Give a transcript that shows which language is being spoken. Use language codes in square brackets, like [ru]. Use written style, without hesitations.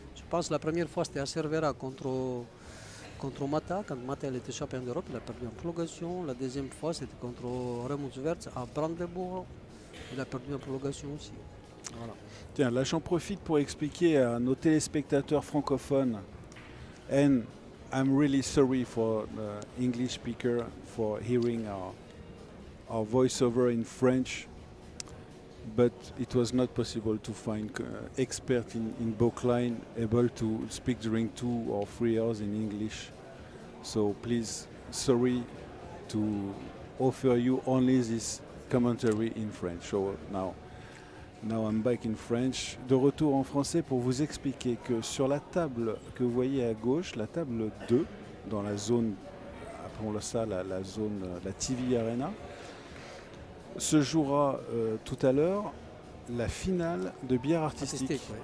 [fr] Je pense que la première fois, c'était à Cervera contre Mata, quand Mata était champion d'Europe, il a perdu en prolongation. La deuxième fois, c'était contre Remus Verts à Brandebourg. Il a perdu en prolongation aussi. Voilà. Tiens, là, j'en profite pour expliquer à nos téléspectateurs francophones. [en] And I'm really sorry for the English speaker for hearing our voiceover in French. But it was not possible to find expert in Bocline able to speak during 2 or 3 hours in English. So please, sorry to offer you only this commentary in French. So now I'm back in French. [fr] De retour en français pour vous expliquer que sur la table que vous voyez à gauche, la table 2, dans la zone, appelons ça la zone, la TV Arena, se jouera tout à l'heure la finale de bière artistique. Ouais.